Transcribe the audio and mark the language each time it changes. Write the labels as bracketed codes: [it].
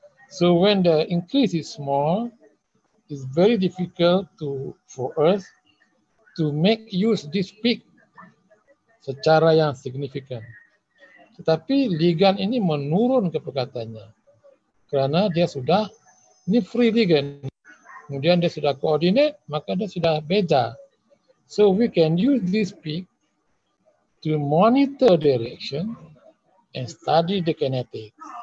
[en] So, when the increase is small, it's very difficult to for us to make use this peak [ms] secara yang signifikan. Tetapi ligan ini menurun kepekatannya karena dia sudah ini free ligan. Kemudian dia sudah koordinat, maka dia sudah beda. [en] So we can use this peak to monitor the reaction and study the kinetic.